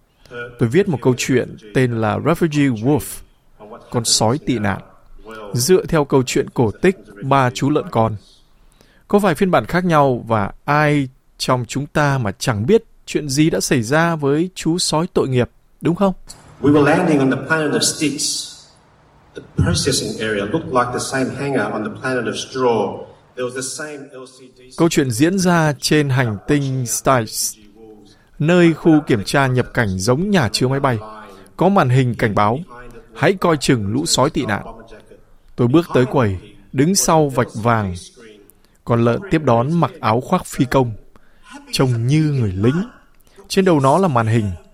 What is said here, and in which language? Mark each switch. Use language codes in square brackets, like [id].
[vi] Tôi viết một câu chuyện tên là Refugee Wolf, con sói tị nạn. Dựa theo câu chuyện cổ tích Ba Chú Lợn Con. Có vài phiên bản khác nhau và ai trong chúng ta mà chẳng biết chuyện gì đã xảy ra với chú sói tội nghiệp, đúng không? [en] We were landing on the planet of sticks. The processing area looked like the same hangar on the planet of straw. There was the same LCD. [vi] Câu chuyện diễn ra trên hành tinh Styx, nơi khu kiểm tra nhập cảnh giống nhà chứa máy bay, có màn hình cảnh báo: Hãy coi chừng lũ sói tị nạn. Tôi bước tới quầy, đứng sau vạch vàng. Con lợn tiếp đón mặc áo khoác phi công, trông như người lính. Trên đầu nó là màn hình.